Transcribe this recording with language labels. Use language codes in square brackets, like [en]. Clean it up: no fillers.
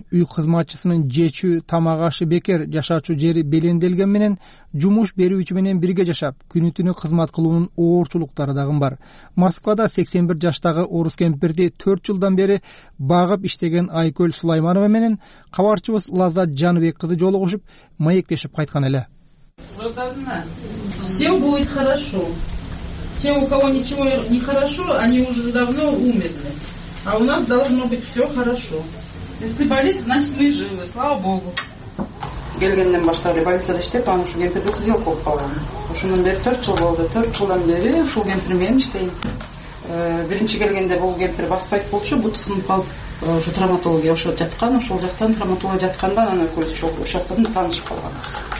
[ky] Үй кызматчысынын жечүү тамак ашы бекер, жашачу жери белендилген менен жумуш берүүчү менен бирге жашап, күнү түнү кызмат кылуунун оорчулуктары дагы бар. Москвада 81 жаштагы орус кемпирди 4 жылдан бери багып иштеген Айкөл Сулайманова менен кабарчыбыз Лаззат Жаныбек кызы жолугушуп, маектешип кайткан эле. [ru] Все будет хорошо. Те, у кого ничего не хорошо, они уже давно умерли. А у нас должно быть все хорошо. Если болеть, значит мы живы. Слава Богу. [ky] Келгенден башта эле больницада иштеп, анан ушул кемпирде сиделка болуп калган. Ушундан бери 4 жыл болду. 4 жылдан бери ушул кемпир менен иштейм. Биринчи келгенде бул кемпир баспайт болчу, буту сынып калып, ушу травматология ошо жаткан, ушул жактан травматология жатканда анан көзү чогуу ушактан таанышып калганбыз.